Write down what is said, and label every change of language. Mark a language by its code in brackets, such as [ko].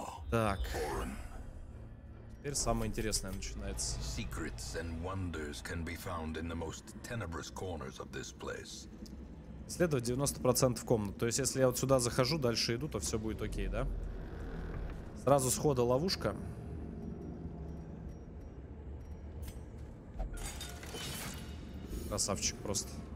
[ru] Так. Теперь самое интересное начинается. [en] Secrets and wonders can be found in the most tenebrous corners of this place. [ru] Исследовать 90% комнат. То есть, если я вот сюда захожу, дальше иду, то все будет окей, да? Сразу схода ловушка. Красавчик просто.